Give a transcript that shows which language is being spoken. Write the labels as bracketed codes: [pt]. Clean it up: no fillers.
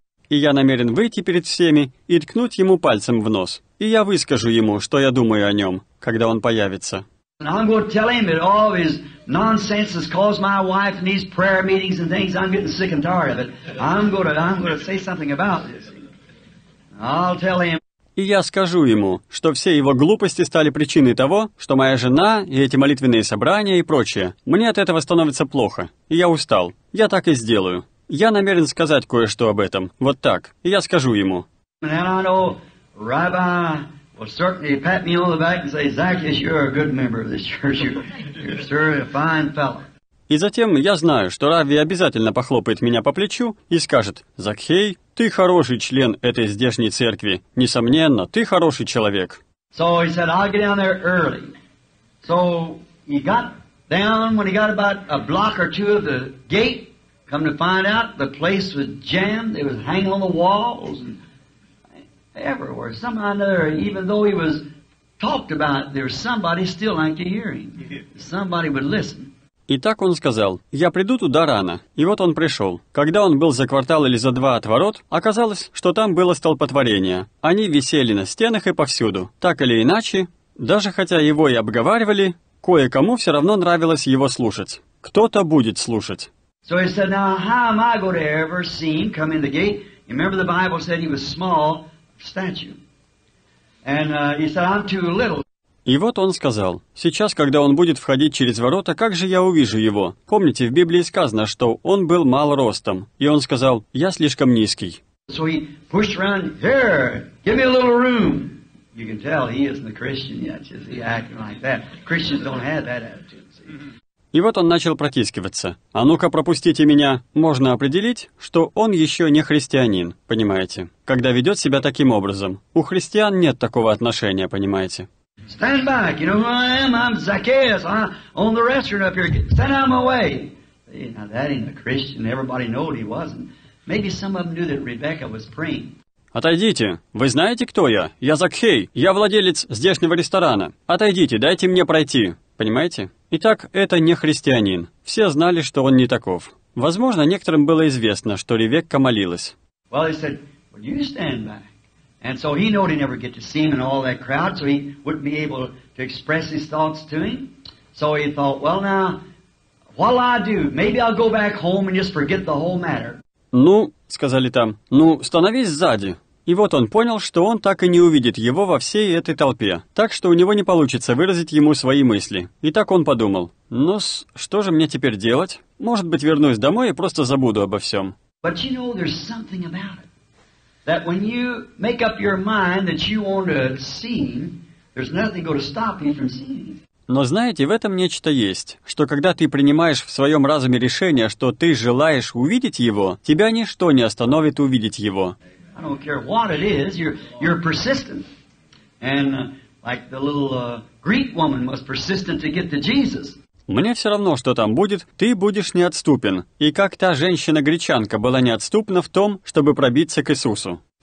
[ru] И я намерен выйти перед всеми и ткнуть ему пальцем в нос. И я выскажу ему, что я думаю о нем, когда он появится. [en] And I'm going to tell him that all of his nonsense has caused my wife in these prayer meetings and things. I'm getting sick and tired of it. I'm going to say something about this. I'll tell him. [ru] И я скажу ему, что все его глупости стали причиной того, что моя жена и эти молитвенные собрания и прочее. Мне от этого становится плохо. И я устал. Я так и сделаю. Я намерен сказать кое-что об этом. Вот так. И я скажу ему. [en] And then I know, Rabbi. Well, certainly, pat me on the back and say, Zacchaeus, you're a good member of this church. You're certainly a fine fellow. [ru] И затем я знаю, что Равви обязательно похлопает меня по плечу и скажет, Закхей, ты хороший член этой здешней церкви. Несомненно, ты хороший человек. [en] So he said, I'll get down there early. So he got down when he got about a block or two of the gate. Come to find out, the place was jammed. It was hanging on the walls. Everywhere, somehow or another, even though he was talked about, there's somebody still like to hear him. Somebody would listen. [ru] И так он сказал, я приду туда рано. И вот он пришел. Когда он был за квартал или за два от ворот, оказалось, что там было столпотворение. Они висели на стенах и повсюду. Так или иначе, даже хотя его и обговаривали, кое-кому все равно нравилось его слушать. Кто-то будет слушать. [en] So he said, now how am I going to ever see him come in the gate? Remember the Bible said he was small stature. And he said, I'm too little. [ru] И вот он сказал, «Сейчас, когда он будет входить через ворота, как же я увижу его?» Помните, в Библии сказано, что он был мал ростом, и он сказал, «Я слишком низкий». [en] So he pushed around, here, give me a little room. You can tell he isn't a Christian yet, is he acting like that? Christians don't have that attitude, see? [ru] И вот он начал протискиваться. «А ну-ка, пропустите меня!» Можно определить, что он еще не христианин, понимаете? Когда ведет себя таким образом. У христиан нет такого отношения, понимаете? [en] Stand back. You know who I am? I'm Zacchaeus. I own the restaurant up here. Stand out of my way. See, now that ain't a Christian. Everybody knew he wasn't. Maybe some of them knew that Rebecca was praying. [ru] Отойдите. Вы знаете, кто я? Я Закхей. Я владелец здешнего ресторана. Отойдите, дайте мне пройти. Понимаете? Итак, это не христианин. Все знали, что он не таков. Возможно, некоторым было известно, что Ревекка молилась. [en] Well, he said, would you stand back? And so he knew he'd never get to see him in all that crowd, so he wouldn't be able to express his thoughts to him. So he thought, well now, what'll I do? Maybe I'll go back home and just forget the whole matter. [ru] Ну, сказали там, ну, становись сзади. И вот он понял, что он так и не увидит его во всей этой толпе. Так что у него не получится выразить ему свои мысли. И так он подумал, ну-с, что же мне теперь делать? Может быть, вернусь домой и просто забуду обо всем. [en] But you know, there's something about it. That when you make up your mind that you want to see him, there's nothing going to stop you from seeing him. [ru] Но знаете, в этом нечто есть, что когда ты принимаешь в своем разуме решение, что ты желаешь увидеть его, тебя ничто не остановит увидеть его. [en] I don't care what it is, you're persistent. And like the little Greek woman was persistent to get to Jesus. [ru] Мне все равно, что там будет, ты будешь неотступен. И как та женщина-гречанка была неотступна в том, чтобы пробиться к Иисусу.